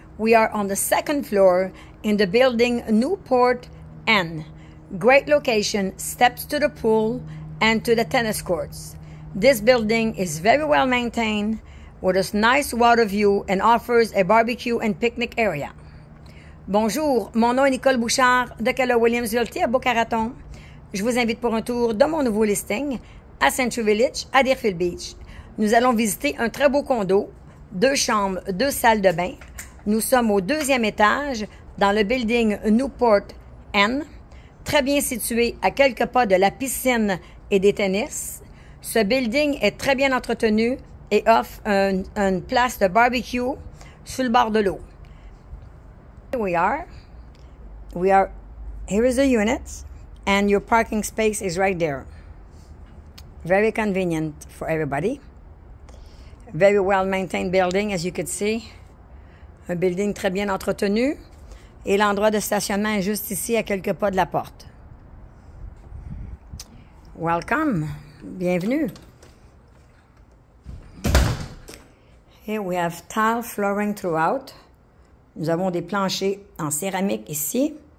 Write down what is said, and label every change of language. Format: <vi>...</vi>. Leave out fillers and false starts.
<en>We are on the second floor in the building Newport N. Great location, steps to the pool and to the tennis courts. This building is very well maintained with a nice water view and offers a barbecue and picnic area.</en> <fr>Bonjour, mon nom est Nicole Bouchard de Keller Williams Realty à Boca Raton. Je vous invite pour un tour de mon nouveau listing à Century Village à Deerfield Beach. Nous allons visiter un très beau condo, deux chambres, deux salles de bain. Nous sommes au deuxième étage dans le building Newport N, très bien situé à quelques pas de la piscine et des tennis. Ce building est très bien entretenu et offre une place de barbecue sur le bord de l'eau.</fr> <en>Here we are. Here is the unit, and your parking space is right there. Very convenient for everybody. Very well maintained building, as you could see.</en> <fr>Un building très bien entretenu. Et l'endroit de stationnement est juste ici, à quelques pas de la porte.</fr> <en>Welcome.</en> <fr>Bienvenue.</fr> <en>Here we have tile flooring throughout.</en> <fr>Nous avons des planchers en céramique ici.</fr>